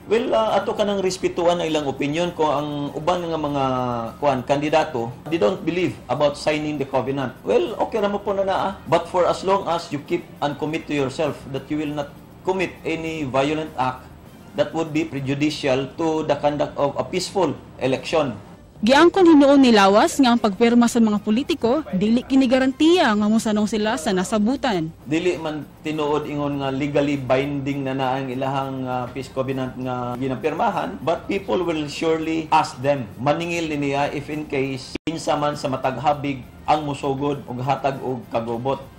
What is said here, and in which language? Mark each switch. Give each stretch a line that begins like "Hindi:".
Cebuano: well, ato ka nang respetuhan ang ilang opinion ko ang uban nga mga kandidato, they don't believe about signing the covenant. Well, okay na mo po na naa.
English: But for as long as you keep and commit to yourself that you will not commit any violent act that would be prejudicial to the conduct of a peaceful election.
Cebuano: Giangkon hinuon ni Lawas nga ang pagpirma sa mga politiko dili kini garantiya nga mosanong sila sa nasabutan. Dili man tinuod ingon nga legally binding na ang ilahang peace covenant nga ginapirmahan, but people will surely ask them, maningil niya if in case kinsa man sa matag habig ang musugod og hatag og kagubot.